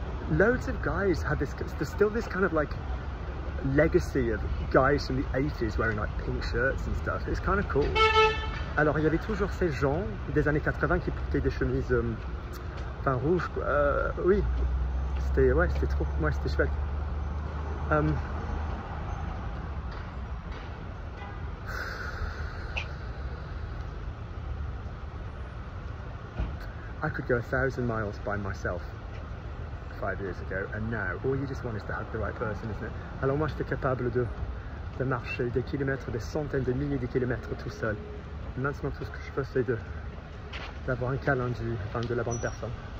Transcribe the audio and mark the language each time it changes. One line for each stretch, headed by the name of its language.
English: Loads of guys had this, there's still this kind of like legacy of guys from the 80s wearing like pink shirts and stuff. It's kind of cool.
French: Alors il y avait toujours ces gens des années 80 qui portaient des chemises. Enfin rouge, oui, c'était chouette.
English: I could go 1,000 miles by myself 5 years ago, and now all you just want is to hug the right person, isn't it?
French: Alors moi j'étais capable de marcher des kilomètres, des centaines de milliers de kilomètres tout seul. Maintenant tout ce que je veux c'est d'avoir un câlin de la bonne personne.